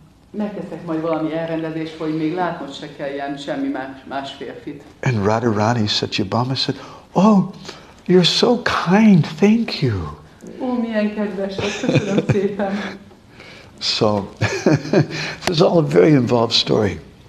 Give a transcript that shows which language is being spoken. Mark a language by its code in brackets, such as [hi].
[hu] Megteszek majd valami elrendezést, hogy még látnod se kelljen semmi más férfit. [en] And Radharani Satyabhama said, oh, you're so kind, thank you. [hu] Ó, milyen kedves, köszönöm szépen. [en] So, this is all a very involved story.